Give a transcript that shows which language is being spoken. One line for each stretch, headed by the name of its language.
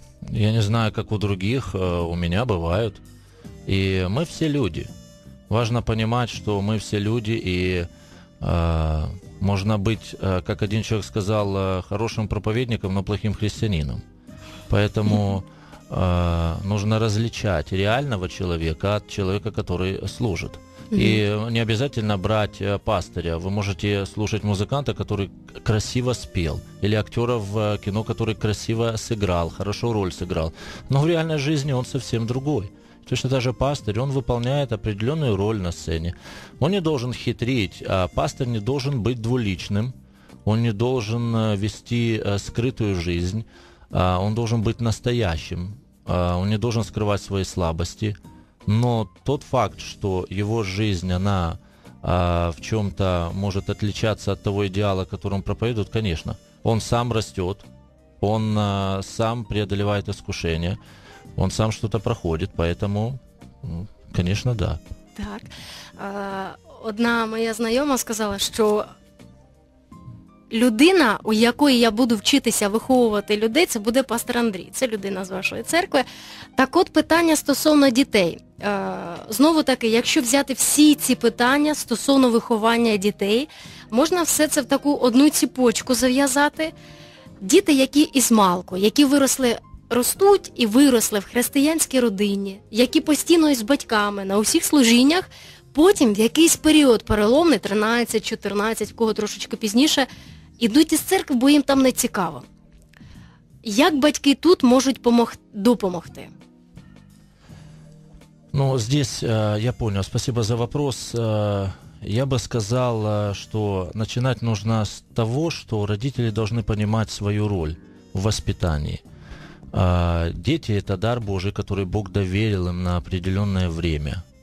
Ukrainian: Я не знаю, як у других, у мене бувають. І ми всі люди. Важно розуміти, що ми всі люди, і можна бути, як один чоловік сказав, хорошим проповідником, але плохим християнином.
Russian: Поэтому нужно различать реального человека от человека, который служит. И не обязательно брать пастыря. Вы можете слушать музыканта, который красиво спел, или актера в кино, который красиво сыграл, хорошо роль сыграл. Но в реальной жизни он совсем другой. Точно так же пастырь, он выполняет определенную роль на сцене. Он не должен хитрить, а пастырь не должен быть двуличным. Он не должен вести скрытую жизнь. А он должен быть настоящим. Он не должен скрывать свои слабости, но тот факт, что его жизнь, она в чем-то может отличаться от того идеала, который он проповедует, конечно, он сам растет, он сам преодолевает искушения, он сам что-то проходит, поэтому, конечно, да.
Ukrainian: Так, одна моя знакомая сказала, что людина, у якої я буду вчитися виховувати людей, це буде пастор Андрій, це людина з вашої церкви. Так от, питання стосовно дітей. Знову таки, якщо взяти всі ці питання стосовно виховання дітей, можна все це в таку одну ціпочку зав'язати. Діти, які із малку, які виросли, ростуть і виросли в християнській родині, які постійно із батьками на усіх служіннях, потім в якийсь період переломний, 13-14, в кого трошечки пізніше, ідуть із церкви, бо їм там не цікаво. Як батьки тут можуть допомогти?
Russian: Ну, здесь я понял, спасибо за вопрос. Я бы сказал, что начинать нужно с того, что родители должны понимать свою роль в воспитании. Дети – это дар Божий, который Бог доверил им на определенное время.